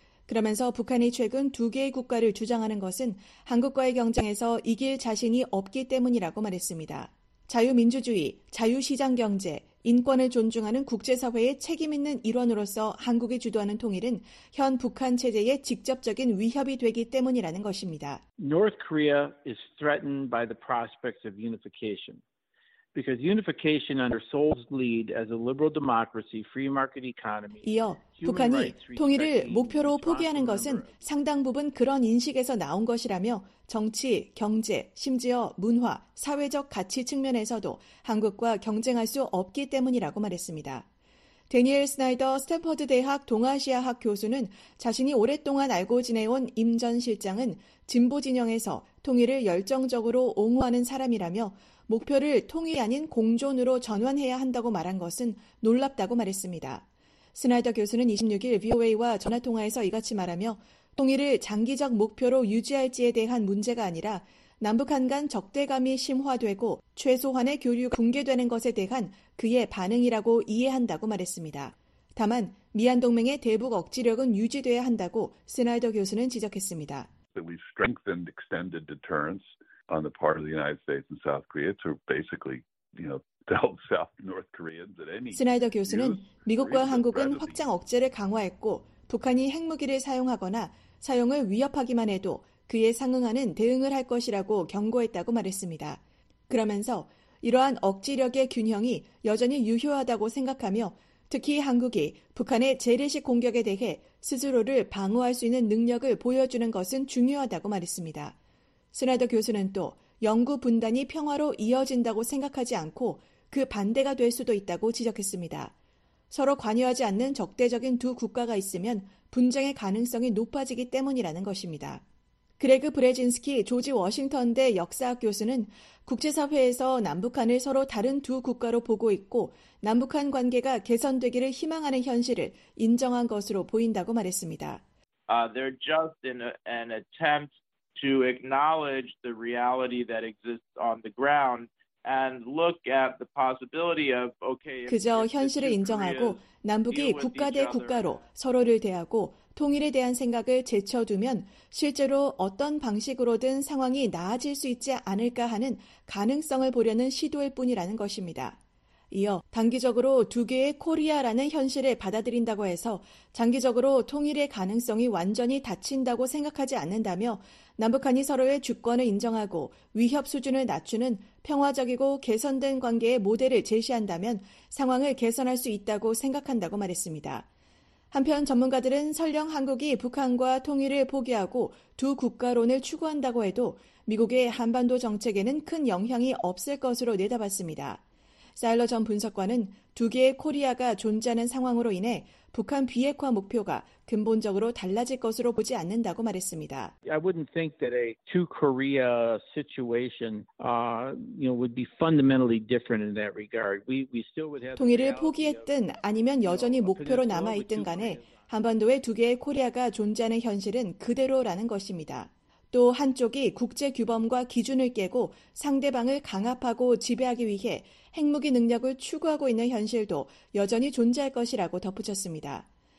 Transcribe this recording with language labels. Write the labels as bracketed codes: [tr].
[ko] 그러면서 북한이 최근 두 개의 국가를 주장하는 것은 한국과의 경쟁에서 이길 자신이 없기 때문이라고 말했습니다. 자유민주주의, 자유시장경제, 인권을 존중하는 국제사회의 책임 있는 일원으로서 한국이 주도하는 통일은 현 북한 체제에 직접적인 위협이 되기 때문이라는 것입니다. [en] North Korea is threatened by the prospects of unification. Because unification under Seoul's lead as a liberal democracy, free market economy. [ko] 이어 북한이 통일을 목표로 포기하는 것은 상당 부분 그런 인식에서 나온 것이라며 정치, 경제, 심지어 문화, 사회적 가치 측면에서도 한국과 경쟁할 수 없기 때문이라고 말했습니다. 대니엘 스나이더 스탠퍼드 대학 동아시아학 교수는 자신이 오랫동안 알고 지내온 임 전 실장은 진보 진영에서 통일을 열정적으로 옹호하는 사람이라며 목표를 통일이 아닌 공존으로 전환해야 한다고 말한 것은 놀랍다고 말했습니다. 스나이더 교수는 26일 VOA와 전화통화에서 이같이 말하며 통일을 장기적 목표로 유지할지에 대한 문제가 아니라 남북한 간 적대감이 심화되고 최소한의 교류가 붕괴되는 것에 대한 그의 반응이라고 이해한다고 말했습니다. 다만 미한동맹의 대북 억지력은 유지돼야 한다고 스나이더 교수는 지적했습니다. [en] We've strengthened extended deterrence on the part of the United States and South Korea to basically, you know, [ko] 스나이더 교수는 미국과 한국은 확장 억제를 강화했고 북한이 핵무기를 사용하거나 사용을 위협하기만 해도 그에 상응하는 대응을 할 것이라고 경고했다고 말했습니다. 그러면서 이러한 억지력의 균형이 여전히 유효하다고 생각하며 특히 한국이 북한의 재래식 공격에 대해 스스로를 방어할 수 있는 능력을 보여주는 것은 중요하다고 말했습니다. 스나이더 교수는 또 영구 분단이 평화로 이어진다고 생각하지 않고 그 반대가 될 수도 있다고 지적했습니다. 서로 관여하지 않는 적대적인 두 국가가 있으면 분쟁의 가능성이 높아지기 때문이라는 것입니다. 그레그 브레진스키 조지 워싱턴대 역사학 교수는 국제사회에서 남북한을 서로 다른 두 국가로 보고 있고 남북한 관계가 개선되기를 희망하는 현실을 인정한 것으로 보인다고 말했습니다. [en] They're just in an attempt to acknowledge the reality that exists on the ground and look at the possibility of okay. [ko] 그저 현실을 인정하고 남북이 국가 대 국가로 서로를 대하고 통일에 대한 생각을 제쳐두면 실제로 어떤 방식으로든 상황이 나아질 수 있지 않을까 하는 가능성을 보려는 시도일 뿐이라는 것입니다. 이어 단기적으로 두 개의 코리아라는 현실을 받아들인다고 해서 장기적으로 통일의 가능성이 완전히 닫힌다고 생각하지 않는다며 남북한이 서로의 주권을 인정하고 위협 수준을 낮추는 평화적이고 개선된 관계의 모델을 제시한다면 상황을 개선할 수 있다고 생각한다고 말했습니다. 한편 전문가들은 설령 한국이 북한과 통일을 포기하고 두 국가론을 추구한다고 해도 미국의 한반도 정책에는 큰 영향이 없을 것으로 내다봤습니다. 사일러 전 분석관은 두 개의 코리아가 존재하는 상황으로 인해 북한 비핵화 목표가 근본적으로 달라질 것으로 보지 않는다고 말했습니다. [en] I wouldn't think that a two Korea situation would be fundamentally different in that regard. We still would have [ko] 통일을 포기했든 아니면 여전히 목표로 남아 있든 간에 한반도에 두 개의 코리아가 존재하는 현실은 그대로라는 것입니다. 또 한쪽이 국제 규범과 기준을 깨고 상대방을 강압하고 지배하기 위해 핵무기 능력을 추구하고 있는 현실도 여전히 존재할 것이라고 덧붙였습니다.